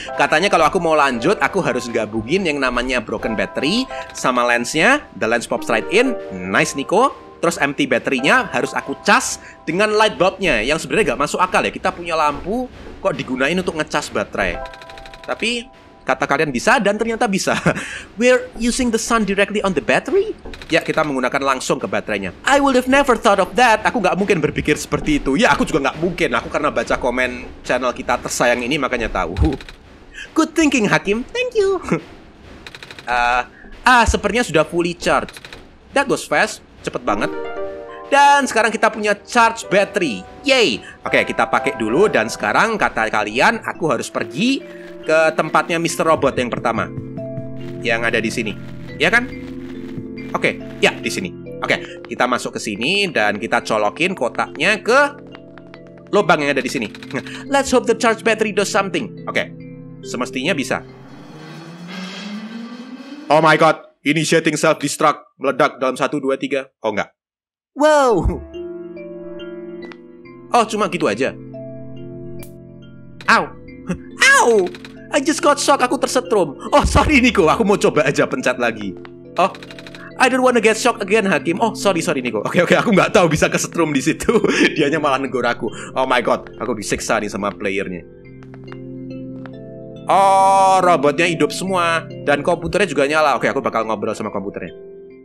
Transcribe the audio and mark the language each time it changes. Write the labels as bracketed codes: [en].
[id] Katanya kalau aku mau lanjut, aku harus gabungin yang namanya broken battery sama lensnya. [en] The lens pops right in. [id] Nice Niko. Terus empty baterainya harus aku cas dengan light bulbnya yang sebenarnya gak masuk akal ya, kita punya lampu kok digunain untuk ngecas baterai. Tapi kata kalian bisa dan ternyata bisa. [en] We're using the sun directly on the battery? [id] Ya, kita menggunakan langsung ke baterainya. [en] I would have never thought of that. [id] Aku gak mungkin berpikir seperti itu. Ya, aku juga gak mungkin. Aku karena baca komen channel kita tersayang ini makanya tahu. [en] Good thinking, Hakim. Thank you. [id] Sepertinya sudah [en] fully charged. That was fast. [id] Cepet banget. Dan sekarang kita punya charge battery. Yay. Oke, kita pakai dulu. Dan sekarang kata kalian, aku harus pergi ke tempatnya Mr. Robot yang pertama, yang ada di sini. Iya kan? Oke, ya di sini. Oke, kita masuk ke sini. Dan kita colokin kotaknya ke lubang yang ada di sini. [en] Let's hope the charge battery does something. [id] Oke, semestinya bisa. [en] Oh my god, initiating self-destruct. [id] Meledak dalam 1, 2, 3. Oh, enggak. Wow. Oh, cuma gitu aja. Ow. Ow. [en] I just got shocked. [id] Aku tersetrum. [en] Oh, sorry Niko. [id] Aku mau coba aja pencet lagi. [en] Oh, I don't wanna get shocked again, Hakim. Oh, sorry Niko. [id] Oke, aku nggak tahu bisa kesetrum di situ. Dianya malah negur aku. [en] Oh my god. [id] Aku disiksa nih sama playernya. Oh, robotnya hidup semua. Dan komputernya juga nyala. Oke, aku bakal ngobrol sama komputernya.